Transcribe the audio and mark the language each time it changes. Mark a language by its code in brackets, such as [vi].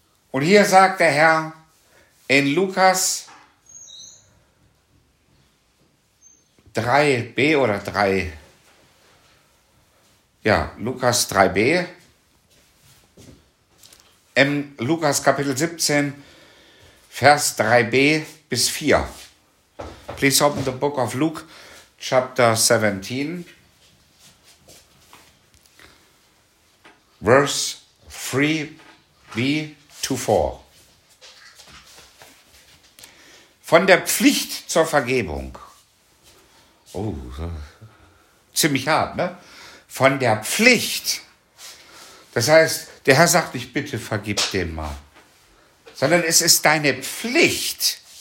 [de] Und hier sagt der Herr in Lukas 3b oder 3, ja, Lukas 3b, im Lukas Kapitel 17, Vers 3b, bis 4. [en] Please open the book of Luke, chapter 17, verse 3b to 4. [de] Von der Pflicht zur Vergebung. Oh, ziemlich hart, ne? Von der Pflicht. Das heißt, der Herr sagt nicht, bitte vergib den mal. Sondern es ist deine Pflicht.